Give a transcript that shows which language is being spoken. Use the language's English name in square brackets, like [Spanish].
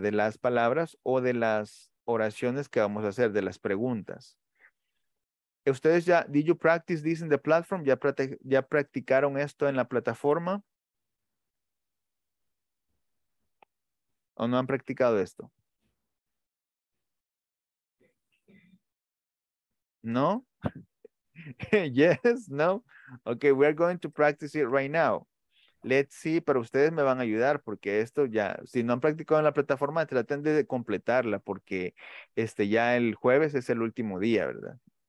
[Spanish] De las palabras o de las oraciones que vamos a hacer, de las preguntas. Ustedes ya, [English] did you practice this in the platform? [Spanish] ¿Ya practicaron esto en la plataforma? ¿O no han practicado esto? ¿No? [English] Yes, [Spanish] no. [English] Okay, we're going to practice it right now. Let's see, [Spanish] pero ustedes me van a ayudar porque esto ya, si no han practicado en la plataforma, traten de completarla porque ya el jueves es el último día, ¿verdad?